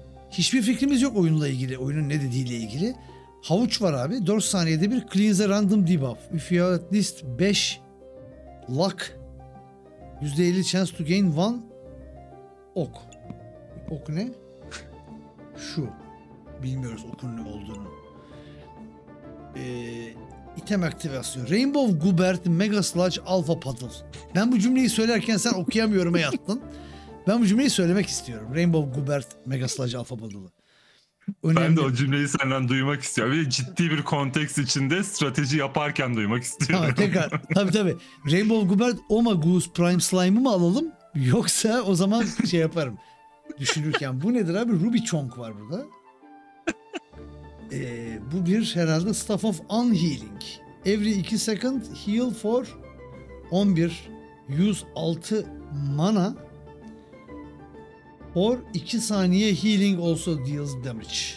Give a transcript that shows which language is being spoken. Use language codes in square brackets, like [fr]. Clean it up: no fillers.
[tr] Hiçbir fikrimiz yok oyunla ilgili. Oyunun ne dediğiyle ilgili. Havuç var abi. 4 saniyede bir [en] cleanse a random debuff. If you have at least 5 luck. %50 chance to gain 1 ok. [tr] Ok ne? Şu. Bilmiyoruz okun ne olduğunu. İtem aktivasyon. Rainbow Gubert Mega Sludge Alpha Paddle. Ben bu cümleyi söylerken sen okuyamıyorum'a yattın. Ben bu cümleyi söylemek istiyorum. Rainbow Gubert Mega Sludge Alpha Paddle. Önemli. Ben de o cümleyi senden duymak istiyorum. Bir ciddi bir konteks içinde strateji yaparken duymak istiyorum. Tamam, tekrar. Tabii. Rainbow Gubert Oma Goose Prime Slime'ı mı alalım? Yoksa o zaman şey yaparım. Düşünürken. Bu nedir abi? Ruby Chonk var burada. Bu bir herhalde Staff of Unhealing. [en] Every 2 second heal for 11 106 mana or 2 saniye healing also deals damage.